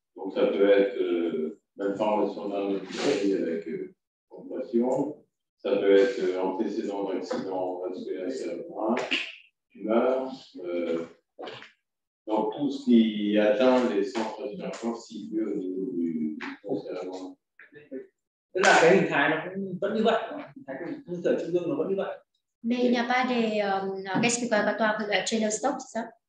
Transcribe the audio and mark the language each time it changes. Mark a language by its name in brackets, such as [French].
[French] Donc ça peut être malformation d'Arnold Chiari avec compression, ça peut être antécédent d'accident vasculaire cérébral, tumeur. Donc tout ce qui atteint les centres respiratoires situés au niveau du tronc cérébral. [Vietnamese] Tức là cái hình thái nó cũng vẫn như vậy, hình thái cái cơ sở trung ương nó vẫn như vậy. [French] Mais il n'y a pas de gaspillage par toi que la chaîne stoppe ça.